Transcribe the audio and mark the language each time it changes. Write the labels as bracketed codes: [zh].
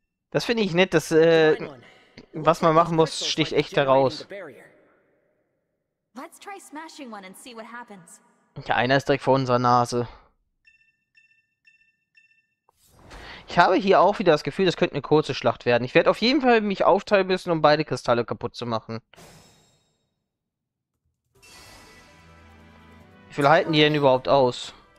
[de] Das finde ich nett, dass was man machen muss, sticht echt heraus. [en] Let's try smashing one and see what happens. [de] Ja, einer ist direkt vor unserer Nase. Ich habe hier auch wieder das Gefühl, das könnte eine kurze Schlacht werden. Ich werde auf jeden Fall mich aufteilen müssen, um beide Kristalle kaputt zu machen. Wie viel halten die denn überhaupt aus?